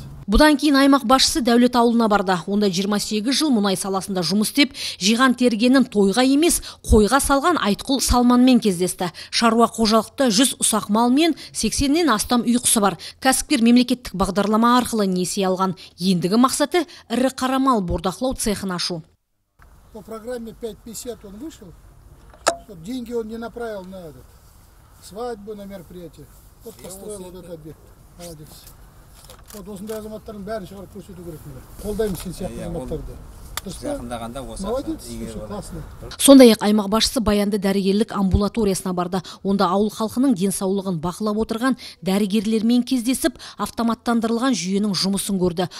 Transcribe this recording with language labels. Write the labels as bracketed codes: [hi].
[kk] Бұдан кейін аймақ басшысы Дәулет ауылына барды. Онда 28 жыл мұнай саласында жұмыс істеп, жиған тергенін тойға емес, қойға салған Айтқұл Салманмен кездесті. Шаруа қожалықта 100 ұсақ мал мен 80-нен астам үй құсы бар. Кәсіпкер мемлекеттік бағдарлама арқылы несие алған. Ендігі мақсаты ірі қара мал бордақылау цехын ашу. [ru] По программе 5.50 он вышел, чтобы деньги он не направил на свадьбу, на мероприятие. Вот построил вот этот объект. Молодец. [kk] Вот осындай азаматтардың бәрін шығарып көрсету керек. Қолдаймыз сен сияқты азаматтарды. Сондай-ақ аймақ басшысы баянды дәрігерлік амбулаториясына барды. Онда ауыл халқының денсаулығын бақылап отырған дәрігерлермен кездесіп, автоматтандырылған жүйенің жұмысын көрді.